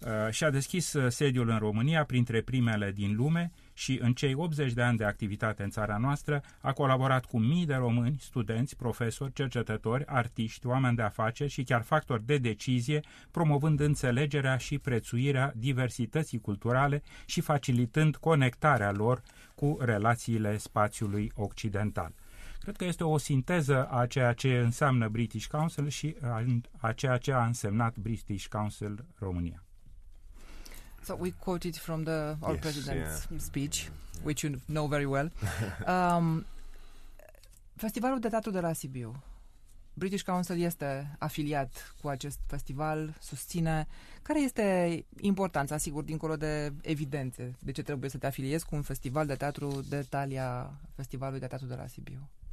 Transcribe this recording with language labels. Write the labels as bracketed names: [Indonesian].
[Romanian] Și-a deschis sediul în România printre primele din lume și în cei 80 de ani de activitate în țara noastră a colaborat cu mii de români, studenți, profesori, cercetători, artiști, oameni de afaceri și chiar factori de decizie, promovând înțelegerea și prețuirea diversității culturale și facilitând conectarea lor cu relațiile spațiului occidental. Cred că este o sinteză a ceea ce înseamnă British Council și a ceea ce a însemnat British Council România. [English] So we quoted from the old president's speech, which you know very well. [Romanian] Festivalul de teatru de la Sibiu. British Council este afiliat cu acest festival, susține. Care este importanța, sigur, dincolo de evidențe, de ce trebuie să te afiliezi cu un festival de teatru de talia Festivalului de Teatru de la Sibiu?